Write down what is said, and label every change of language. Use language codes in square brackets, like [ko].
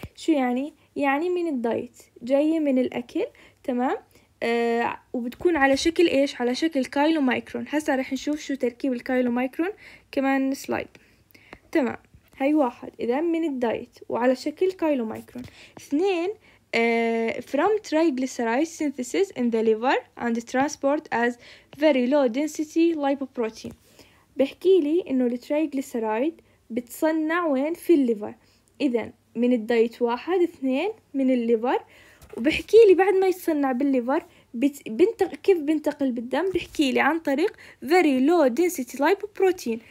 [ar] شو يعني؟ يعني من الدايت، جاية من الأكل، تمام؟ وبتكون على شكل إيش؟ على شكل chylomicron. هسا رح نشوف شو تركيب الكايلومايكرون كمان سلايد، تمام؟ هاي واحد، إذا من الدايت وعلى شكل chylomicron. اثنين، [en] from triglyceride synthesis in the liver and transport as very low density lipoprotein. [ar] بحكي لي انه التريجليسرايد بتصنع وين؟ في الليفر. اذا من الدايت واحد، اثنين من الليفر. وبحكي لي بعد ما يتصنع بالليفر كيف بنتقل بالدم؟ بحكي لي عن طريق very low density lipoprotein.